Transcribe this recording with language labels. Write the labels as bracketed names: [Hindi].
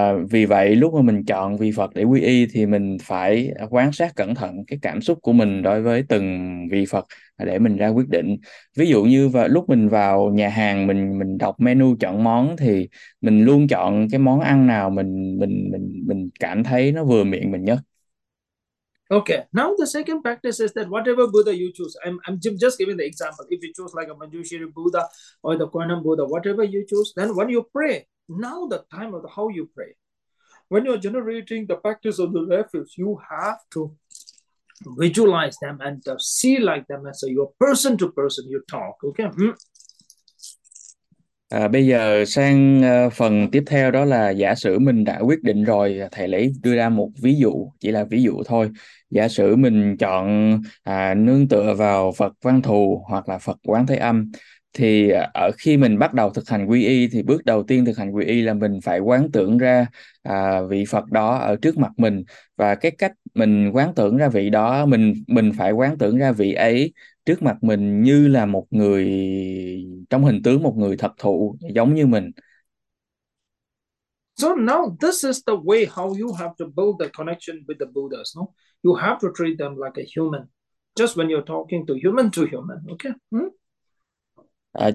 [Vietnamese] Vì vậy lúc mà mình chọn vị Phật để quy y thì mình phải quan sát cẩn thận cái cảm xúc của mình đối với từng vị Phật để mình ra quyết định. Ví dụ như lúc mình vào nhà hàng, mình đọc menu chọn món, thì mình luôn chọn cái món ăn nào mình cảm thấy nó vừa miệng mình nhất. [English] Okay, now the second practice is that whatever Buddha you choose, I'm just giving the example. If you choose like a Manjushri Buddha or the Kwannon Buddha, whatever you choose, then when you pray, now the time of the how you pray. When you're generating the practice of the refuge, you have to visualize them and see like them as a, your person to person you talk, okay? [Vietnamese] Bây giờ sang phần tiếp theo, đó là giả sử mình đã quyết định rồi. Thầy lấy đưa ra một ví dụ, chỉ là ví dụ thôi. Giả sử mình chọn nương tựa vào Phật Văn Thù hoặc là Phật Quán Thế Âm, thì ở khi mình bắt đầu thực hành quy y thì bước đầu tiên thực hành quy y là mình phải quán tưởng ra vị Phật đó ở trước mặt mình. Và cái cách mình quán tưởng ra vị đó, mình phải quán tưởng ra vị ấy trước mặt mình như là một người trong hình tướng một người thật thụ giống như mình. [English] So now this is the way how you have to build the connection with the Buddhas, no? You have to treat them like a human, just when you're talking to human, okay?